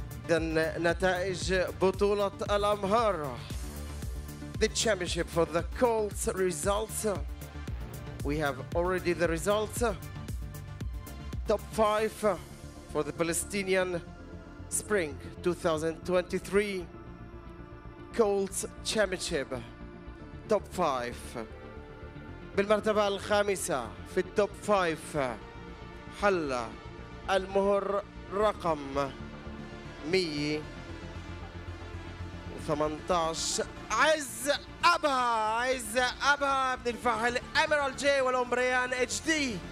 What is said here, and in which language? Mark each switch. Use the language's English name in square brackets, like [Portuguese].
[Arabic] إذن نتائج بطولة الأمهار. [English] The championship for the Colts results. We have already the results. Top 5 for the Palestinian Spring 2023 Colts championship. Top 5. [Arabic] بالمرتبة الخامسة في التوب 5 حل المهر رقم 118 عز أبها. عز أبها ابن الفحل إميرال جي والأمريان اتش دي.